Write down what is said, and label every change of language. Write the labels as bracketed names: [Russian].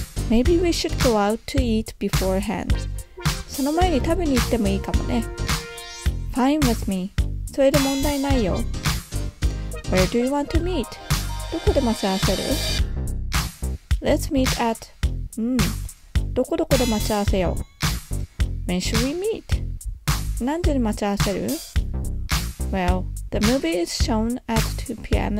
[English] Maybe we should go out to eat beforehand. [Japanese] その前に食べに行ってもいいかもね。 [English] Fine with me. [Japanese] それで問題ないよ。 [English] Where do you want to meet? [Japanese] どこで待ち合わせる? [English] Let's meet at [Japanese] どこどこで待ち合わせよう? [English] When should we meet? [Japanese] 何時に待ち合わせる? [English] Well, the movie is shown at 2 p.m.